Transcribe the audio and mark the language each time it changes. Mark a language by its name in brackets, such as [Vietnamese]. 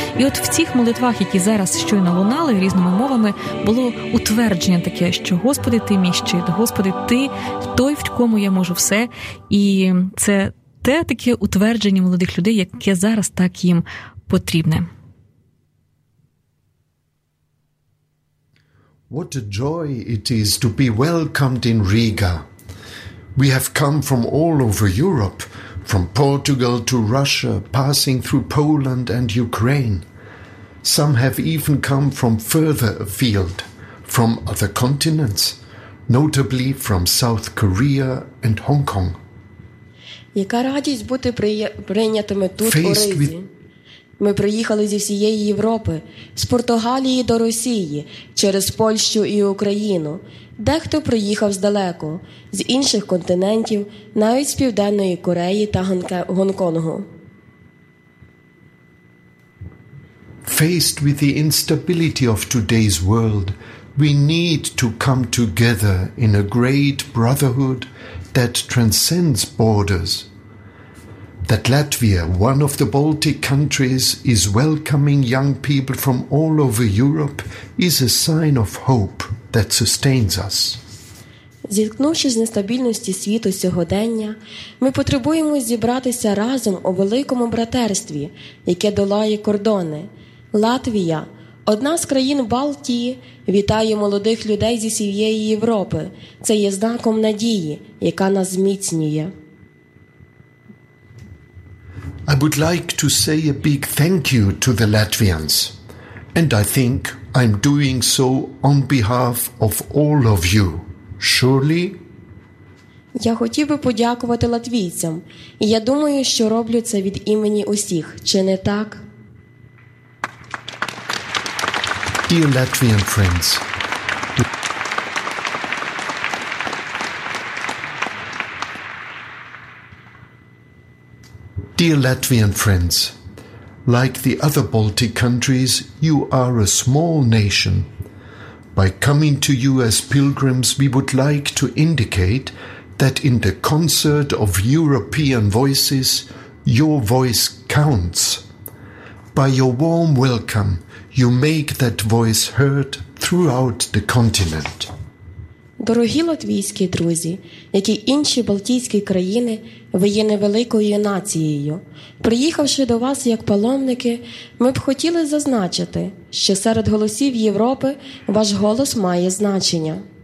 [Ukrainian] І от в цих молитвах, які зараз щойно лунали різними мовами, було утвердження таке, що Господи, ти мій щит, Господи, ти той, в кому я можу все. І це таке утвердження молодих людей, яке зараз так їм потрібне. [English] What a joy it is to be welcomed in Riga. We have come from all over Europe, from Portugal to Russia, passing through Poland and Ukraine. Some have even come from further afield, from other continents, notably from South Korea and Hong Kong. [Ukrainian] Яка радість бути прийнятими тут у Ризі. Ми приїхали зі всієї Європи, з Португалії до Росії, через Польщу і Україну. Дехто приїхав здалеку, з інших континентів, навіть з Південної Кореї та Гонконгу. [English] Faced with the instability of today's world, we need to come together in a great brotherhood that transcends borders. That Latvia, one of the Baltic countries, is welcoming young people from all over Europe is a sign of hope that sustains us. [Ukrainian] Зіткнувшись з нестабільності світу сьогодення, ми потребуємо зібратися разом у великому братерстві, яке долає кордони. Латвія, одна з країн Балтії, вітає молодих людей зі всієї Європи. Це є знаком надії, яка нас зміцнює. [English] I would like to say a big thank you to the Latvians, and I think I'm doing so on behalf of all of you, surely? [Ukrainian] Я хотів би подякувати латвійцям, і я думаю, що роблю це від імені усіх, чи не так? [English] Dear Latvian friends, Dear Latvian friends, like the other Baltic countries, you are a small nation. By coming to you as pilgrims, we would like to indicate that in the concert of European voices, your voice counts. By your warm welcome, you make that voice heard throughout the continent. [Ukrainian] Дорогі латвійські друзі, як і інші балтійські країни, ви є невеликою нацією. Приїхавши до вас як паломники, ми б хотіли зазначити, що серед голосів Європи ваш голос має значення.